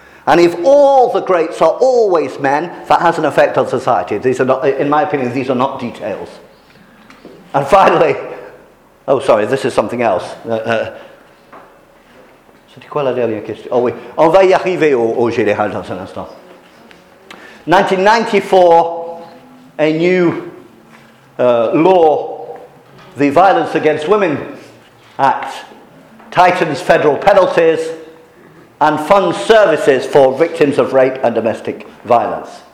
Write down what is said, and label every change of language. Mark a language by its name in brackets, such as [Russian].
[English] And if all the greats are always men, that has an effect on society. These are not, in my opinion, these are not details. And finally, this is something else. [French] C'était quoi la dernière question? Oh oui, on va y arriver au général dans un instant. [English] 1994, a new law, the Violence Against Women Act, tightens federal penalties and funds services for victims of rape and domestic violence.